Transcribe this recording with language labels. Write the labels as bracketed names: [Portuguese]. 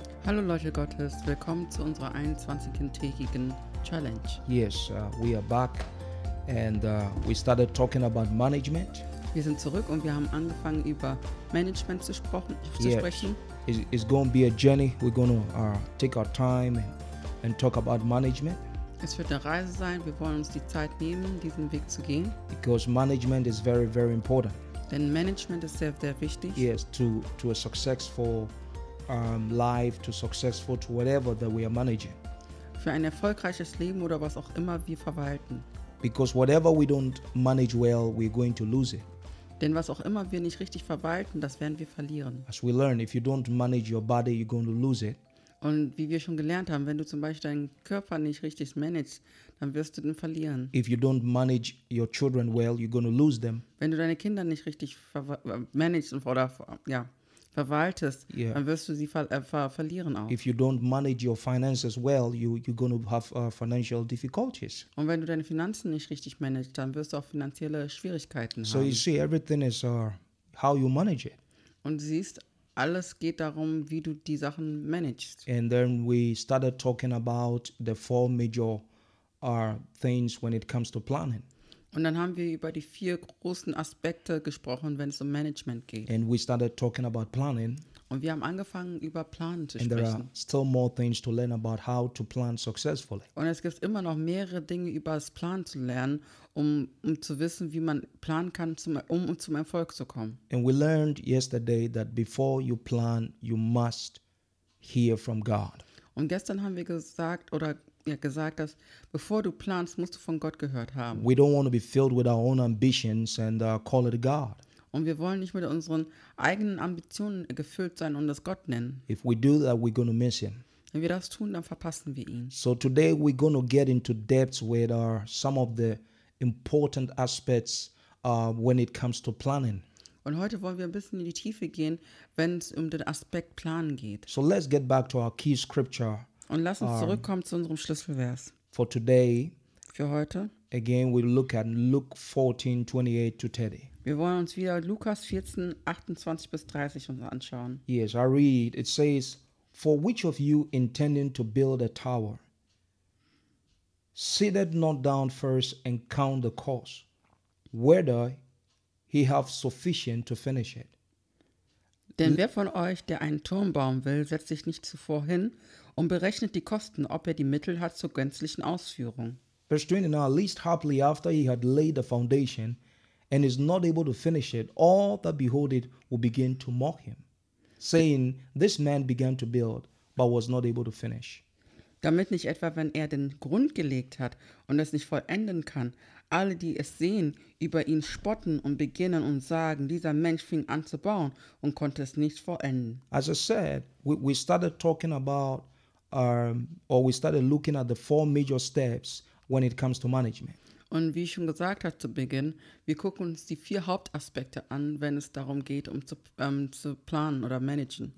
[German] Hallo Leute Gottes, willkommen zu unserer 21-tägigen Challenge. [English] Yes, we are back and we started talking about management. [German] Wir sind zurück und wir haben angefangen über Management zu sprechen. [English] It's going to be a journey. We're going to take our time and talk about management. [German] Es wird eine Reise sein. Wir wollen uns die Zeit nehmen, diesen Weg zu gehen. [English] Because management is very, very important. [German] Denn Management ist sehr, sehr wichtig. [English] Yes, to a successful life, to successful to whatever that we are managing. [German] Für ein erfolgreiches Leben oder was auch immer wir verwalten. [English] Because whatever we don't manage well, we're going to lose it. [German] Denn was auch immer wir nicht richtig verwalten, das werden wir verlieren. [English] As we learn, if you don't manage your body, you're going to lose it. [German] Und wie wir schon gelernt haben, wenn du zum Beispiel deinen Körper nicht richtig managst, dann wirst du den verlieren. [English] If you don't manage your children well, you're going to lose them. [German] Wenn du deine Kinder nicht richtig managst oder verwaltest, yeah, dann wirst du sie verlieren auch. [English] If you don't manage your finances well, you're going to have financial difficulties. [German] Und wenn du deine Finanzen nicht richtig managst, dann wirst du auch finanzielle Schwierigkeiten so haben. [English] So you see, everything is how you manage it. [German] Und du siehst, alles geht darum, wie du die Sachen managst. [English] And then we started talking about the four major things when it comes to planning. [German] Und dann haben wir über die vier großen Aspekte gesprochen, wenn es um Management geht. [English] And we started talking about planning. [German] Und wir haben angefangen, über Planen zu and sprechen. [English] And there are still more things to learn about how to plan successfully. [German] Und es gibt immer noch mehrere Dinge über das Planen zu lernen, um zu wissen, wie man planen kann, zum Erfolg zu kommen. [English] And we learned yesterday that before you plan, you must hear from God. [German] Und gestern haben wir gesagt, dass bevor du planst, musst du von Gott gehört haben. [English] We don't want to be filled with our own ambitions and call it God. [German] Und wir wollen nicht mit unseren eigenen Ambitionen gefüllt sein und das Gott nennen. [English] If we do that, we're going to miss him. [German] Wenn wir das tun, dann verpassen wir ihn. [English] So today we're going to get into depths with some of the important aspects when it comes to planning. [German] Und heute wollen wir ein bisschen in die Tiefe gehen, wenn es um den Aspekt Planen geht. [English] So let's get back to our key scripture. [German] Und lass uns zurückkommen zu unserem Schlüsselvers. [English] For today, [German] für heute, [English] again we look at Luke 14, 28 to 30. [German] Wir wollen uns wieder Lukas 14, 28 bis 30 uns anschauen. [English] Yes, I read. It says, for which of you intending to build a tower, sitteth not down first and count the cost, whether he have sufficient to finish it? [German] Denn wer von euch, der einen Turm bauen will, setzt sich nicht zuvor hin und berechnet die Kosten, ob die Mittel hat zur gänzlichen Ausführung. [English] Verse 20, now, at least happily after he had laid the foundation and is not able to finish it, all that behold it will begin to mock him, saying, this man began to build, but was not able to finish. [German] Damit nicht etwa, wenn den Grund gelegt hat und es nicht vollenden kann, alle, die es sehen, über ihn spotten und beginnen und sagen, dieser Mensch fing an zu bauen und konnte es nicht vollenden. [English] As I said, we started talking about we started looking at the four major steps when it comes to management. [German] Und wie ich schon gesagt habe zu Beginn, wir gucken uns die vier Hauptaspekte an, wenn es darum geht, zu planen oder managen.